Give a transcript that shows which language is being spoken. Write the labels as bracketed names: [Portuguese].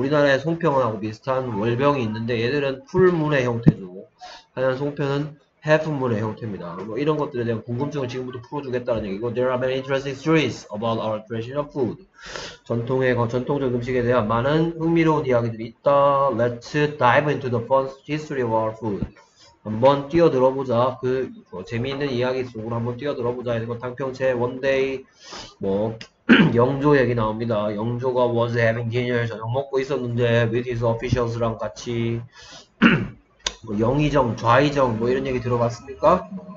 [Korean] 우리나라의 송편하고 비슷한 월병이 있는데 얘들은 풀문의 형태죠. 하지만 송편은 해프문의 형태입니다. 뭐 이런 것들에 대한 궁금증을 지금부터 풀어주겠다는 얘기고 [English] There are many interesting stories about our traditional food. [Korean] 전통적 음식에 대한 많은 흥미로운 이야기들이 있다. [English] Let's dive into the fun history of our food. [Korean] 한번 뛰어들어보자. 재미있는 이야기 속으로 한번 뛰어들어보자. 이거 탕평채 one day 뭐 영조 얘기 나옵니다. 영조가 [English] was having dinner [Korean] 저녁 먹고 있었는데 [English] with his officials [Korean] 랑 같이 뭐 영의정, 좌의정 뭐 이런 얘기 들어봤습니까?